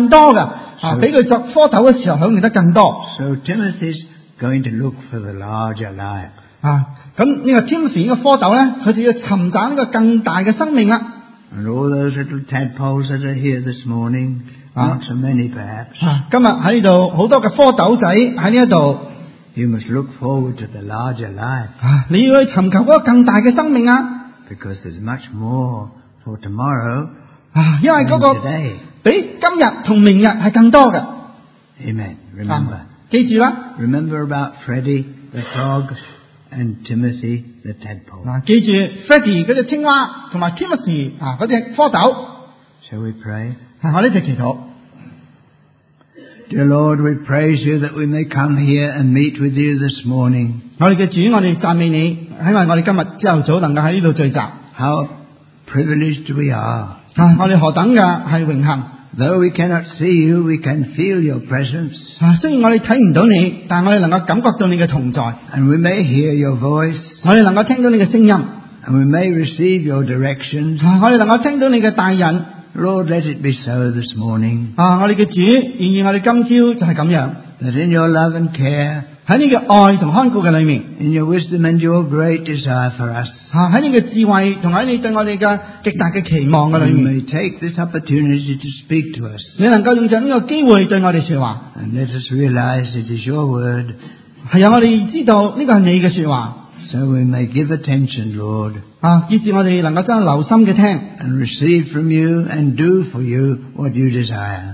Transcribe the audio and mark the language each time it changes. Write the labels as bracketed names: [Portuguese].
[Chinese] 他成为青蛙的时候,他能够享用更多的,比他做蝌蚪的时候享用得更多。 [English] So Timothy's going to look for the larger life. [Chinese] 那Timothy这个蝌蚪呢,他就要寻找一个更大的生命了。 [English] And all those little tadpoles that are here this morning, not so many perhaps. [Chinese] 今天在这里,很多的蝌蚪仔在这里。 [English] You must look forward to the larger life. [Chinese] 你要去寻求那个更大的生命啊。 [English] Because there's much more for tomorrow. [Chinese] 因为那个比今日和明日是更多的。 [English] Amen. Remember. [Chinese] 记住啦。 [English] Remember about Freddy the frog and Timothy the tadpole. [Chinese] 记住, Freddy那只青蛙和Timothy那只蝌蚪。 [English] Shall we pray? [Chinese] 我们一起祈祷。 [English] Dear Lord, we praise you that we may come here and meet with you this morning. [Chinese] 我们的主,我们赞美你,因为我们今天早上能够在这里聚集。 [English] How privileged we are. [Chinese] 我们何等的是荣幸。 [English] Though we cannot see you, we can feel your presence. [Chinese] 虽然我们看不到你,但我们能够感觉到你的同在。 [English] And we may hear your voice. [Chinese] 我们能够听到你的声音。 [English] And we may receive your directions. [Chinese] 我们能够听到你的带引。 [English] Lord, let it be so this morning. [Chinese] 我们的主,然而我们今早就是这样。 [English] That in your love and care, [Chinese] 在你的爱和看顾的里面, [English] in your wisdom and your great desire for us, [Chinese] 在你的智慧和你对我们的极大的期望的里面, [English] you may take this opportunity to speak to us. [Chinese] 你能够用这个机会对我们说话, [English] and let us realize it is your word. [Chinese] 让我们知道这是你的说话, [English] So we may give attention, Lord. [Chinese] 啊, 以致我们能够真的留心地听, [English] and receive from you and do for you what you desire.